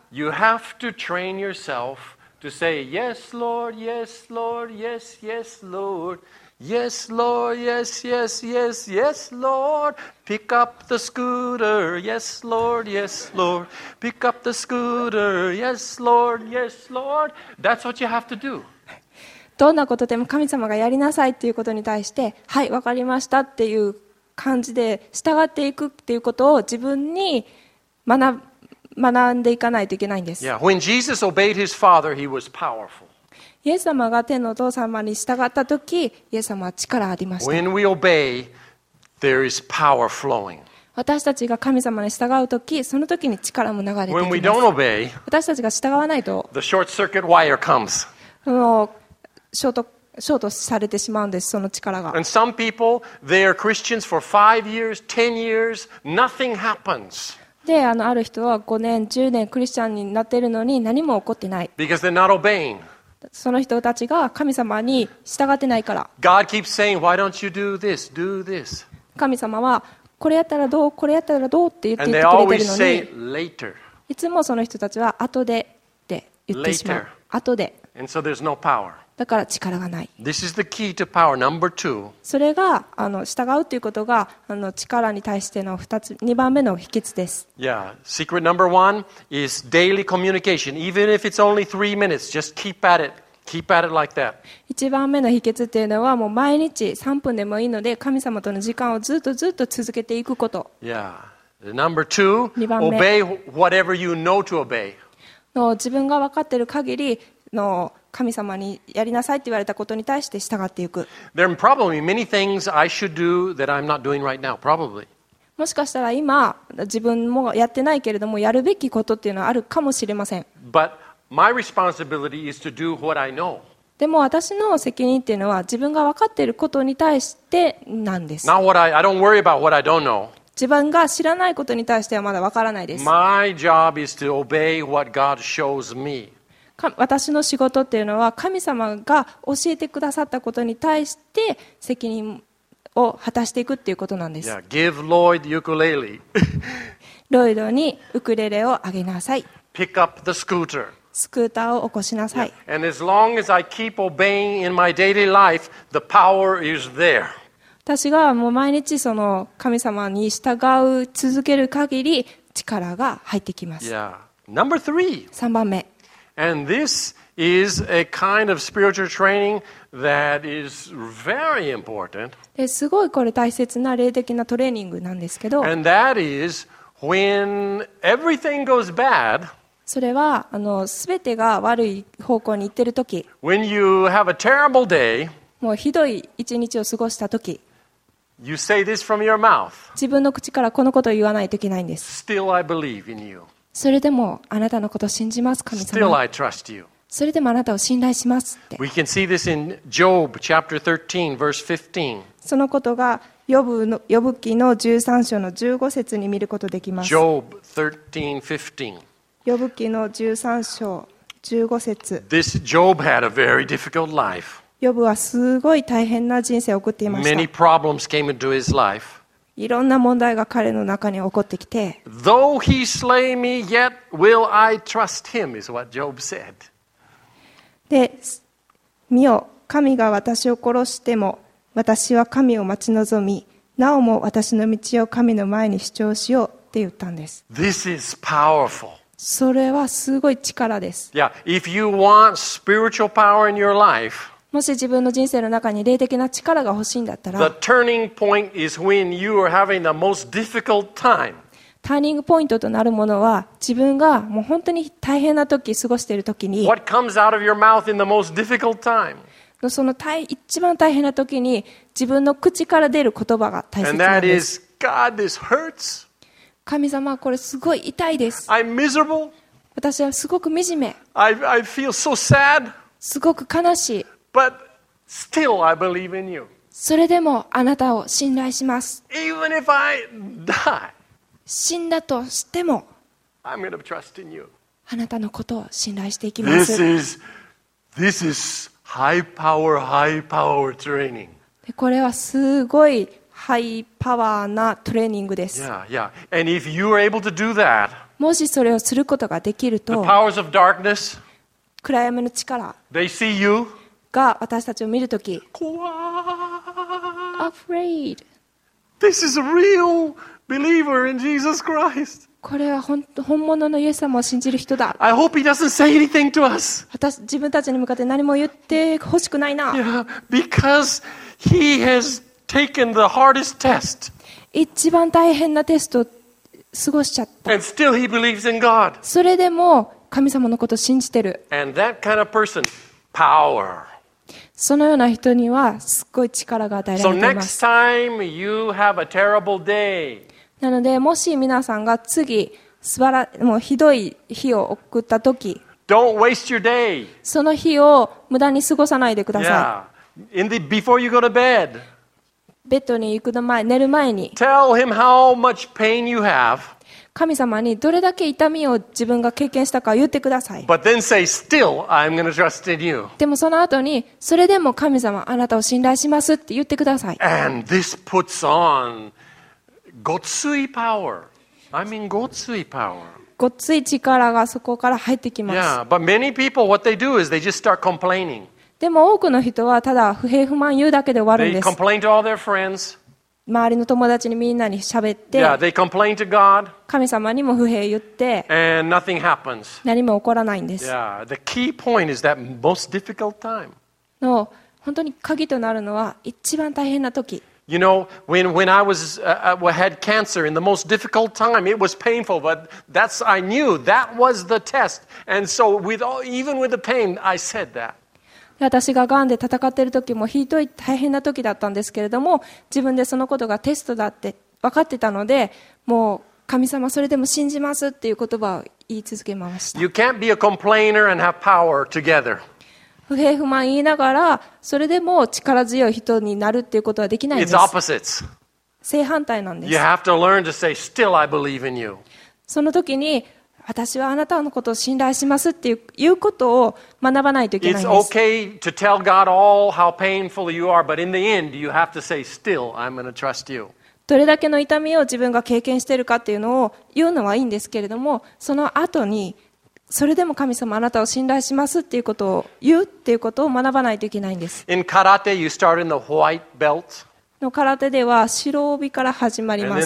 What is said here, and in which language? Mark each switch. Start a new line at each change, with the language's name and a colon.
English: You have to train yourself to say, Yes, Lord, yes, Lord, yes, yes, Lord, Yes, Lord, yes, yes, yes, yes, Lord. Pick up the scooter. Yes, Lord, yes, Lord. Pick up the scooter. Yes, Lord, yes, Lord. That's what you have to do.
Japanese: どんなことでも神様がやりなさいっていうことに対して、はい、わかりましたっていう感じで従っていくっていうことを自分に学んでいかないといけないんです。
English: Yeah, when Jesus obeyed his father, he was powerful.
Japanese: イエス様が天のお父様に従ったとき、イエス様は力ありました。
English: When we obey, there is power flowing.
Japanese: 私たちが神様に従うとき、そのときに力も流れてきます。
English: When we don't obey,
Japanese: 私たちが従わないと、
English: the short circuit wire comes.
Japanese: ショートされてしまうんです、その力が。
English: And some people, they are Christians for 5 years, 10 years, nothing happens.
Japanese: で、ある人は5年、10年クリスチャンになっているのに何も起こってない。
English: Because they're not obeying.
Japanese: その人たちが神様に従ってないから。
English: God keeps saying, why don't you do this? Do this.
Japanese: 神様はこれやったらどう、これやったらどうって言ってくれているのに。
English: And they always say, later.
Japanese: いつもその人たちは後でって言ってしまう。
English: Later.
Japanese: 後で。
English: And so there's no power.
Japanese: だから力がない。
English: This is the key to power. Number two.
Japanese: それが従うということが力に対しての2番目の秘訣です。
English: Yeah. Secret number one is daily communication. Even if it's only 3 minutes, just keep at it. Keep at it like that.
Japanese: 一番目の秘訣っていうのはもう毎日3分でもいいので神様との時間をずっとずっと続けていくこと。
English: Yeah. Number two. Obey whatever you know to obey.
Japanese: 自分が分かっている限りの神様にやりなさいって言われたことに対して従っていく。
English: There are probably many things I should do that I'm not doing right now, probably.
Japanese: もしかしたら今自分もやってないけれどもやるべきことっていうのはあるかもしれません。
English: But my responsibility is to do what I know.
Japanese: でも私の責任っていうのは自分が分かっていることに対してなんです。
English: Not what I don't worry about what I don't know.
Japanese: 自分が知らないことに対してはまだ分からないです。
English: My job is to obey what God shows me.
Japanese: 私の仕事っていうのは神様が教えてくださったことに対して責任を果たしていくっていうことなんです。
English: Yeah, give Lloyd ukulele.
Japanese: ロイドにウクレレをあげなさい。
English: Pick up the scooter.
Japanese: スクーターを起こしなさい。
English: Yeah. And as long as I keep obeying in my daily life, the power is there.
Japanese: 私がもう毎日その神様に従う続ける限り力が入ってきます。
English: Yeah. Number three.
Japanese: 3番目。
English: And this is a kind of spiritual training that is very important.
Japanese: すごいこれ大切な霊的なトレーニングなんですけど。
English: And that is when everything goes bad.
Japanese: それは全てが悪い方向に行ってる時。
English: When you have a terrible day.
Japanese: もうひどい一日を過ごした時。
English: You say this from your mouth.
Japanese: 自分の口からこのことを言わないといけないんです。
English: Still I believe in you.
Japanese: それでもあなたのことを信じます、神様。
English: Still, I trust you.
Japanese: それでもあなたを信頼しますって。
English: We can see this in Job chapter 13, verse 15.
Japanese: そのことがヨブ記の13章の15節に見ることできます。
English: Job 13, 15.
Japanese: ヨブ記の13章15節。
English: This Job had a very difficult life.
Japanese: ヨブはすごい大変な人生を送っていました。
English: Many problems came into his life.
Japanese: いろんな問題が彼の中に起こってきて。
English: Though he slay me, yet will I trust him, is what Job said.
Japanese: で、見よ、神が私を殺しても、私は神を待ち望み、なおも私の道を神の前に主張しようって言ったんです。
English: This is powerful.
Japanese: それはすごい力です。
English: Yeah, if you want spiritual power in your life,
Japanese: もし自分の人生の中に霊的な力が欲しいんだったら、
English: The turning point is when you are having the most difficult time.
Japanese: ターニングポイントとなるものは、自分がもう本当に大変な時過ごしている時に、
English: What comes out of your mouth in the most difficult time?
Japanese: その一番大変な時に、自分の口から出る言葉が大切なんです。
English: And that is, God, this hurts.
Japanese: 神様、これすごい痛いです。
English: I'm miserable.
Japanese: 私はすごく惨め。
English: I feel so sad.
Japanese: すごく悲しい。
English: But still, I believe in you.
Japanese: それでもあなたを信頼します。
English: Even if I die,
Japanese: 死んだとしても、
English: I'm going to trust in you.
Japanese: あなたのことを信頼していきます。
English: This is high power training.
Japanese: これはすごいハイパワーなトレーニングです。
English: Yeah. And if you are able to do that,
Japanese: もしそれをすることができると、
English: the powers of darkness,
Japanese: 暗闇の力、
English: they see you.
Japanese: が私たちを見るとき、怖ー。
English: afraid. This is a real believer in Jesus Christ.
Japanese: これは本物のイエス様を信じる人だ。
English: I hope he doesn't say anything to us.
Japanese: 私、自分たちに向かって何も言ってほしくないな。
English: Yeah, because he has taken the hardest test.
Japanese: 一番大変なテストを過ごしちゃった。
English: And still he believes in God.
Japanese: それでも神様のことを信じてる。
English: And that kind of person, power.
Japanese: そのような人にはすごい力が与えられています。
English: So next time you have a terrible day.
Japanese: なのでもし皆さんが次すばらもうひどい日を送った時、
English: Don't waste your day.
Japanese: その日を無駄に過ごさないでください。
English: Yeah. In the, before you go to bed.
Japanese: ベッドに行く前、寝る前に。
English: Tell him how much pain you have.
Japanese: 神様にどれだけ痛みを自分が経験したか言ってください。
English: But then say, still, I'm gonna trust in you.
Japanese: でもその後に、それでも神様、あなたを信頼しますって言ってください。
English: And this puts on ごっつい power. I mean, ごっつい power.
Japanese: ごっつい力がそこから入ってきます。
English: Yeah, but many people, what they do is they just start complaining.
Japanese: でも多くの人はただ不平不満言うだけで終わるんです。
English: They complain to all their friends.
Japanese: 周りの友達にみんなに喋って、
English: yeah, to God,
Japanese: 神様にも不平言って
English: and nothing happens.
Japanese: 何も起こらないんです。
English: Yeah, the key point is that most difficult time.
Japanese: の本当に鍵となるのは一番大変な時。
English: You know, when I was had cancer in the most difficult time, it was painful, but that's I knew that was the test. And so with all, even with the pain, I said that.
Japanese: 私がガンで戦っている時もひどい大変な時だったんですけれども自分でそのことがテストだって分かってたのでもう神様それでも信じますっていう言葉を言い続けました。
English: You can't be a complainer and have power together.
Japanese: 不平不満言いながらそれでも力強い人になるっていうことはできないんです。
English: It's opposites.
Japanese: 正反対なんです。
English: You have to learn to say, still I believe in you.
Japanese: その時に私はあなたのことを信頼しますっていうことを学ばないといけないんです。
English: It's okay to tell God all how painful you are, but in the end, you have to say, still, I'm going to trust you.
Japanese: どれだけの痛みを自分が経験しているかっていうのを言うのはいいんですけれども、その後に、それでも神様あなたを信頼しますっていうことを言うっていうことを学ばないといけないんです。
English: In karate, you start in the white belt.
Japanese: の空手では白帯から始まります。